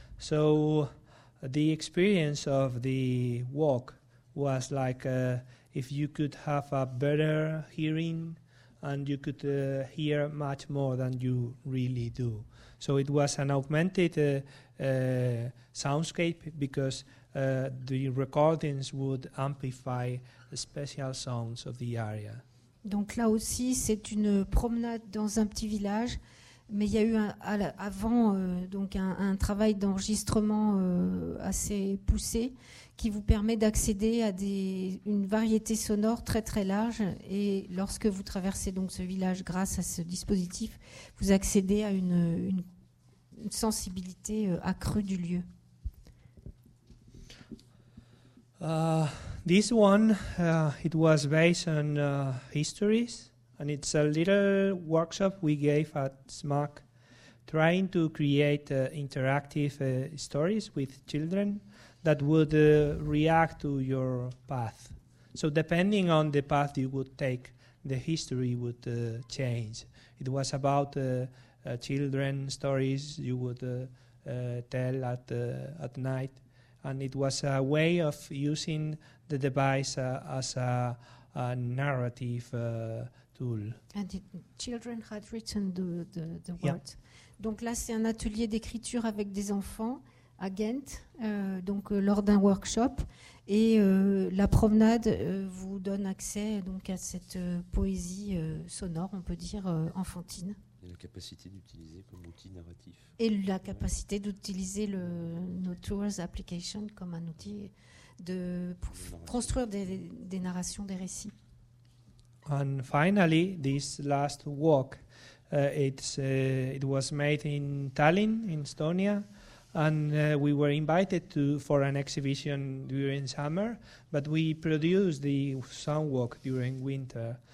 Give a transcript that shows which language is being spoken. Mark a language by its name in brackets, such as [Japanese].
[English] So the experience of the walk was like if you could have a better hearing and you could hear much more than you really do. So it was an augmented soundscape because the recordings would amplify the special sounds of the area. [French] Donc là aussi, c'est une promenade dans un petit village. Mais il y a eu un travail d'enregistrement assez poussé qui vous permet d'accéder à une variété sonore très très large. Et lorsque vous traversez donc ce village grâce à ce dispositif, vous accédez à une sensibilité accrue du lieu. [English] This one, it was based on histories, and it's a little workshop we gave at SMAC, trying to create interactive stories with children that would react to your path. So depending on the path you would take, the history would change. It was about children stories you would tell at night, and it was a way of using the device as a narrative tool. And the children had written the words. Yeah. [French] Donc là, c'est un atelier d'écriture avec des enfants à Ghent, lors d'un workshop. Et la promenade vous donne accès donc à cette poésie sonore, on peut dire enfantine. Et la capacité d'utiliser comme outil narratif. Et la capacité d'utiliser le No Tours application comme un outil pour construire des narrations, des récits. [English] And finally, this last walk, it was made in Tallinn, in Estonia. And we were invited for an exhibition during summer, but we produced the song walk during winter.